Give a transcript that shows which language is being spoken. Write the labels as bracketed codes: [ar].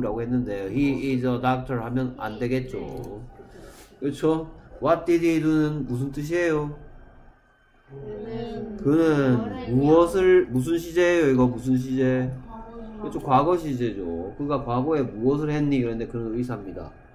[ko] 라고 했는데 [en] He is a doctor [ko] 하면 안 되겠죠. 그렇죠? [en] What did he do?는 [ko] 무슨 뜻이에요? 그는 무엇을 무슨 시제예요? 이거 무슨 시제? 그렇죠? 과거 시제죠. 그가 과거에 무엇을 했니? 그런데 그는 의사입니다.